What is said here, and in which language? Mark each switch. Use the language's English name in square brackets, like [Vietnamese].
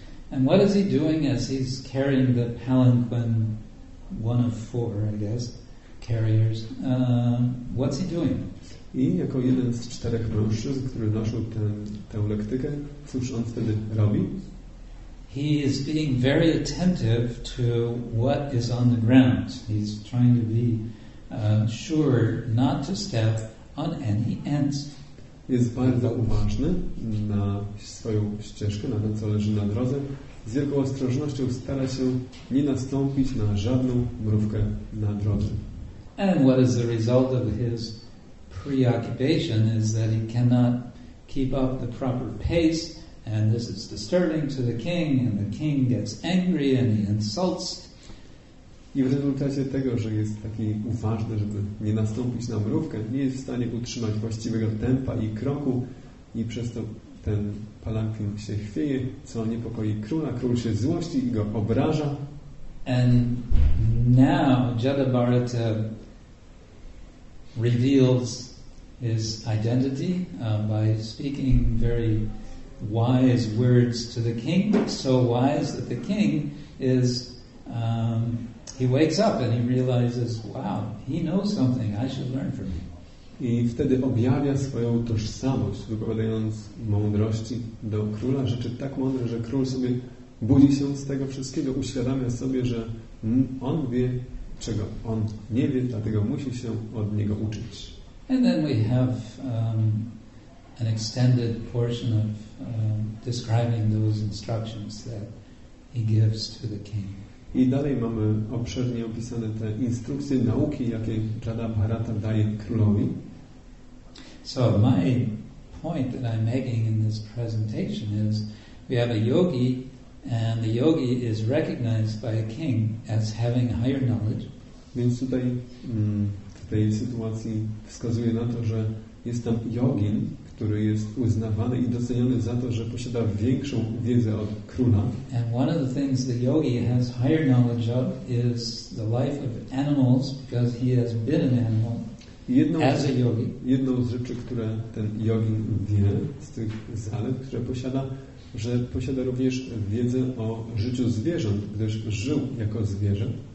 [English] And what is he doing as he's carrying the palanquin, one of four, I guess, carriers? What's he doing? [Polish] I jako jeden z czterech mężczyzn, który noszł tę lektykę, cóż on wtedy robi? [English] He is being very attentive to what is on the ground. He's trying to be sure not to step on any ants. [Polish] Jest bardzo uważny na swoją ścieżkę, na to, co leży na drodze. Z wielką ostrożnością stara się nie nastąpić na żadną mrówkę na drodze. [English] And what is the result of his preoccupation is that he cannot keep up the proper pace, and this is disturbing to the king, and the king gets angry and he insults. [Polish] I w rezultacie tego, że jest taki uważny, żeby nie nastąpić na mrówkę, nie jest w stanie utrzymać właściwego tempa i kroku, i przez to ten palanquin się chwieje, co niepokoi króla. Król się złości i go obraża. [English] And now Jada Bharata reveals his identity by speaking very wise words to the king, so wise that the king is he wakes up and he realizes, wow, he knows something, I should learn from him. [Polish] I wtedy objawia swoją tożsamość, wypowiadając mądrości do króla, rzeczy tak mądre, że król sobie budzi się z tego wszystkiego, uświadamia sobie, że on wie, czego on nie wie, dlatego musi się od niego uczyć. [English] And then we have an extended portion of describing those instructions that he gives to the king. [Polish] I dalej mamy obszernie opisane te instrukcje, nauki, jakie Jada Bharata daje królowi. [English] So my point that I'm making in this presentation is we have a yogi, and the yogi is recognized by a king as having higher knowledge. [Polish] Więc tutaj w tej sytuacji wskazuje na to, że jest tam jogin, który jest uznawany i doceniony za to, że posiada większą wiedzę od króla. [English] And one of the things the yogi has higher knowledge of is the life of animals, because he has been an animal as a yogi. [Polish] Jedną z rzeczy, które ten jogin wie z tych zalet, które posiada, że posiada również wiedzę o życiu zwierząt, gdyż żył jako zwierzę.